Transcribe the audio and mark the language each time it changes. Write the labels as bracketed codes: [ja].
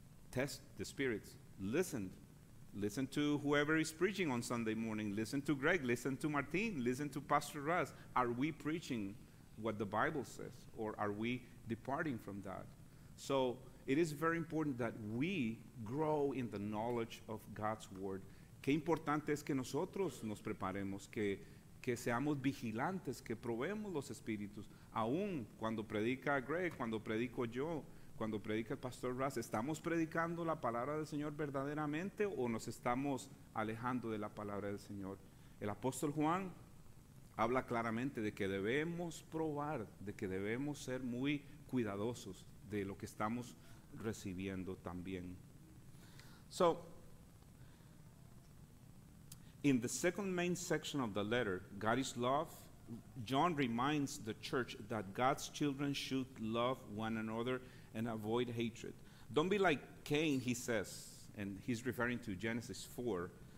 [en] Test the spirits. Listen. Listen to whoever is preaching on Sunday morning. Listen to Greg. Listen to Martin. Listen to Pastor Russ. Are we preaching what the Bible says, or are we departing from that? So it is very important that we grow in the knowledge of God's word. [es] Qué importante es que nosotros nos preparemos, que seamos vigilantes, que probemos los espíritus. Aún cuando predica Greg, cuando predico yo, cuando predica el pastor Russ, ¿estamos predicando la palabra del Señor verdaderamente o nos estamos alejando de la palabra del Señor? El apóstol Juan habla claramente de que debemos probar, de que debemos ser muy cuidadosos de lo que estamos recibiendo también. [en] So, in the second main section of the letter, God is love, John reminds the church that God's children should love one another and avoid hatred. Don't be like Cain, he says, and he's referring to Genesis 4.